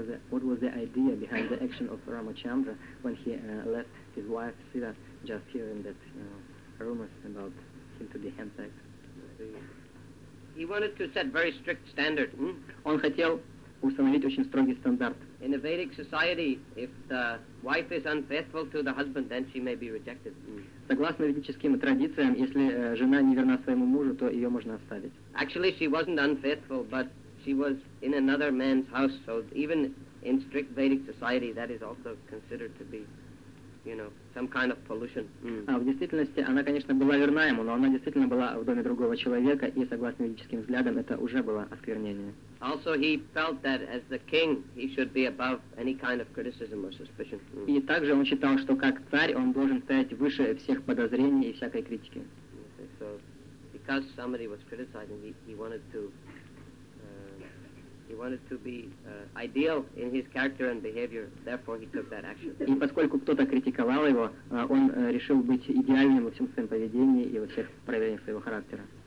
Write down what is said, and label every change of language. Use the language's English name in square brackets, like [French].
[English] What was the idea behind the action of Ramachandra when he left his wife Sita, just hearing that rumors about him to be henpecked? He wanted to set very strict standard. [Russian] Он хотел установить очень строгий стандарт. [English] In the Vedic society, if the wife is unfaithful to the husband, then she may be rejected. [Russian] Согласно ведическим традициям, если жена не верна своему мужу, то ее можно оставить. [English] Actually, she wasn't unfaithful, but she was in another man's house, so even in strict Vedic society, that is also considered to be, you know, some kind of pollution. [Russian] А в действительности она, конечно, была верна ему, но она действительно была в доме другого человека, и согласно ведическим взглядам, это уже было осквернение. [English] Also, he felt that as the king, he should be above any kind of criticism or suspicion. [Russian] И также он считал, что как царь, он должен стоять выше всех подозрений и всякой критики. [English] So, because somebody was criticizing, he wanted to. He wanted to be ideal in his character and behavior, therefore he took that action. [Russian] И поскольку кто-то критиковал его, он решил быть идеальным во всем своем поведении и во всех проявлениях своего характера.